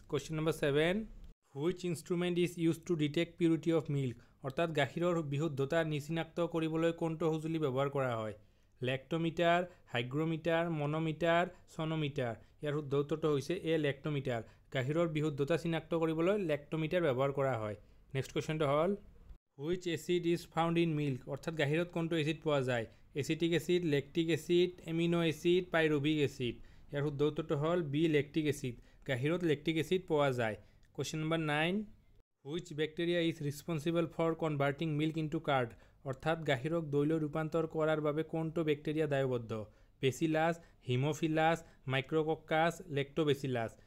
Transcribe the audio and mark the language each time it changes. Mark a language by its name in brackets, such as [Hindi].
[English] question number seven, which instrument is use to detect purity of milk, [Assamese] অৰ্থাৎ গাখীৰৰ বিশুদ্ধতা নিচিনাক্ত কৰিবলৈ কোনটো সঁজুলি ব্যৱহাৰ কৰা হয়? [English] Lactometer, hygrometer, manometer, sonometer. [Assamese] ইয়াৰ শুদ্ধ উত্তৰটো হৈছে এ, লেক্টোমিটাৰ। গাখীৰৰ বিশুদ্ধতা চিনাক্ত কৰিবলৈ লেক্টোমিটাৰ ব্যৱহাৰ কৰা হয়। [English] next কুৱেশ্যনটো হ'ল, which acid is found in milk, [Assamese] অৰ্থাৎ গাখীৰত কোনটো এচিড পোৱা যায়? [English] Acetic acid, lactic acid, amino acid, pyruvic acid. [Assamese] ইয়াৰ শুদ্ধ উত্তৰটো হ'ল বি, লেক্টিক এচিড। গাখীৰত লেক্টিক এচিড পোৱা যায়। [English] question number nine, which bacteria is responsible for converting milk into curd, [Assamese] অৰ্থাৎ গাখীৰক দৈলৈ ৰূপান্তৰ কৰাৰ বাবে কোনটো বেক্টেৰিয়া দায়বদ্ধ? [English] Bacillus, haemophilus, micrococcus, lactobacillus.